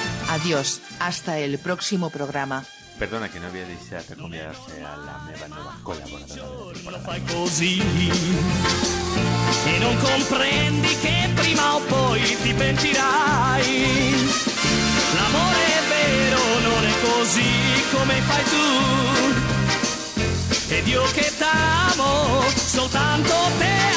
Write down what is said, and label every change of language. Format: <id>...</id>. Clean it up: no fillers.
<es>Adiós, hasta el próximo programa.</es> <ca>Perdona que no havia deixat acomiadar-se a la meva nova col·laboradora.</ca> <it>Lo fai così. E non comprendi che prima o poi ti pentirai. L'amore è vero, non è così come fai tu. Ed io che t'amo soltanto te.</it>